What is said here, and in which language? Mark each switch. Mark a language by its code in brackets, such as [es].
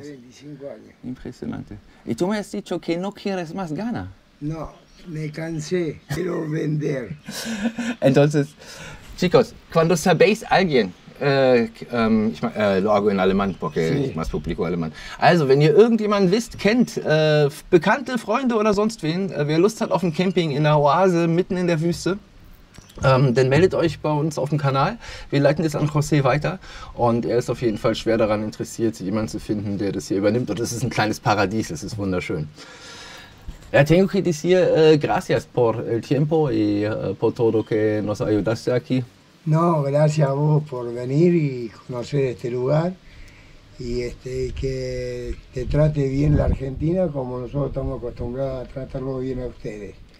[es] 35 años. Impresionante. Y tú me has dicho que no quieres más gana. No. Me cansé, quiero vender. Entonces, Chicos, cuando sabéis alguien, lo hago en alemán, porque sí. [de] Ich mache [es] público alemán. [de] Also, wenn ihr irgendjemanden wisst, kennt, Bekannte, Freunde oder sonst wen, wer Lust hat auf ein Camping in der Oase, mitten in der Wüste, dann meldet euch bei uns auf dem Kanal. Wir leiten das an José weiter. Und er ist auf jeden Fall schwer daran interessiert, jemanden zu finden, der das hier übernimmt. Und es ist ein kleines Paradies, es ist wunderschön. [es] Ja, tengo que decir gracias por el tiempo y por todo que nos ayudaste aquí. No, gracias a vos por venir y conocer este lugar. Y que te trate bien la Argentina, como nosotros estamos acostumbrados a tratarlo bien a ustedes.